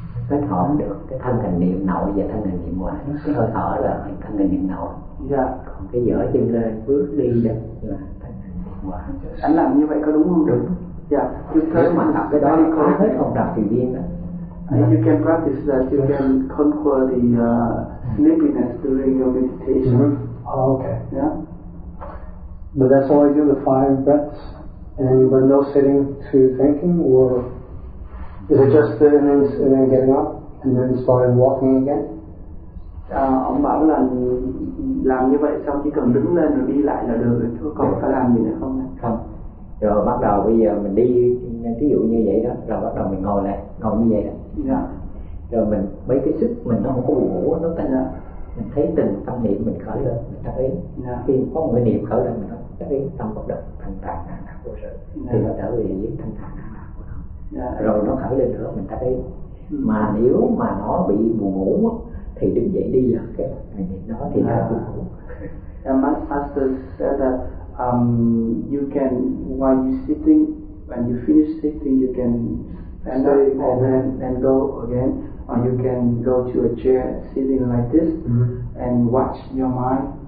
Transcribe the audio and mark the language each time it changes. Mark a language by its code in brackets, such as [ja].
[vi] Kết hợp được cái thân hành niệm nội và thân hành niệm ngoại. Cái hơi thở là thân hành niệm nội. Dạ. Còn cái dở chân lên bước đi là thân hành niệm ngoại. Anh làm như vậy có đúng không? Đúng. Dạ. Chứ thế mà tập cái đó thì có hết không đạt thì điên đó. [en] You can practice that. You can conquer the sleepiness during your meditation. Mm-hmm. Oh, okay. Yeah. But that's all I do, the five breaths. And when no sitting to thinking or is it just sitting and then getting up and then starting walking again? [vi] Ông bảo là làm như vậy xong chỉ cần đứng lên rồi đi lại là được rồi, thôi còn phải làm gì nữa không? Không. Rồi bắt đầu bây giờ mình đi, ví dụ như vậy đó, rồi bắt đầu mình ngồi lại, ngồi như vậy đó. Dạ. Rồi mình mấy cái sức mình nó không có ngủ, nó tan ra. Mình thấy từng tâm niệm mình khởi lên, mình tắt ý. Dạ. Khi có một cái niệm khởi lên, mình tắt ý, tâm bất động, thanh tạng, nạn nạn vô sự. Dạ. Thì nó trở về với thanh tạng. [en] Yeah. [vi] Rồi nó khởi lên nữa mình tắt đi. Mà nếu mà nó bị buồn ngủ thì đứng dậy đi rồi cái nó thì nó buồn ngủ. [en] The master said that you can while you sitting when you finish sitting you can stand up and then go again or you can go to a chair sitting like this and watch your mind.